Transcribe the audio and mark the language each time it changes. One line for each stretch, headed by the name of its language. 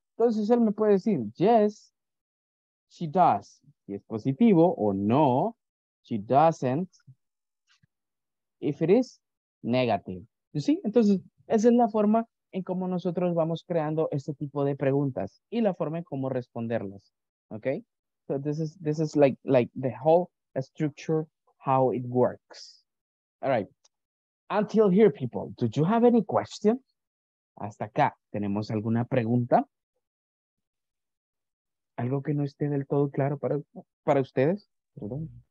Spanish: Entonces él me puede decir,
English: yes, she does.
Spanish: Si es positivo o no,
English: she doesn't. If it is negative. You see?
Spanish: Entonces, esa es la forma en cómo nosotros vamos creando este tipo de preguntas y la forma en cómo responderlas.
English: Okay? So this is like the whole structure, how it works. All right. Until here, people, do you have any question?
Spanish: Hasta acá, ¿tenemos alguna pregunta? ¿Algo que no esté del todo claro para ustedes? Perdón.